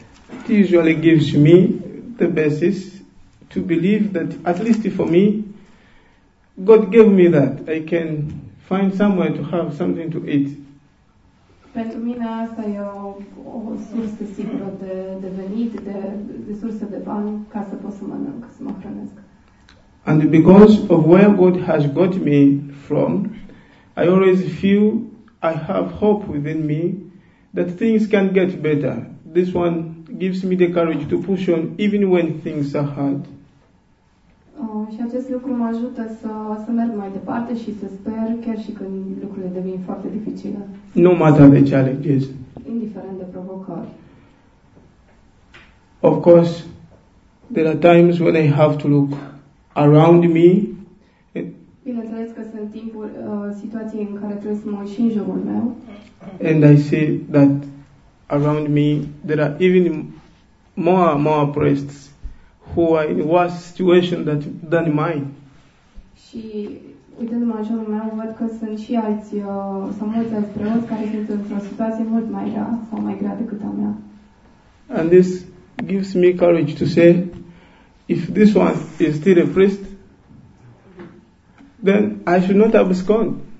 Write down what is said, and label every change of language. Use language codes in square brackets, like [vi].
[en] It usually gives me the basis to believe that at least for me, God gave me that. I can find somewhere to have something to eat. [ro] Pentru mine asta e o sursă sigură de venit, de sursă de bani ca să pot să mănânc, să mă hrănesc. [en] And because of where God has got me from, I always feel I have hope within me that things can get better. This one gives me the courage to push on even when things are hard. [ro] Și acest lucru mă ajută să merg mai departe și să sper chiar și când lucrurile devin foarte dificile. [en] No matter the challenges. [ro] Indiferent de provocări. [en] Of course, there are times when I have to look around me. [ro] Bineînțeles că sunt timpuri, situații în care trebuie să mă uit și în jurul meu. [en] And I see that around me there are even more priests who are in worse situation than mine. [ro] Și Și uitându-mă așa în lumea, văd că sunt și alți, sau mulți alți preoți care sunt într-o situație mult mai rea sau mai grea decât a mea. [en] And this gives me courage to say, if this one is still a priest, then I should not have scorned.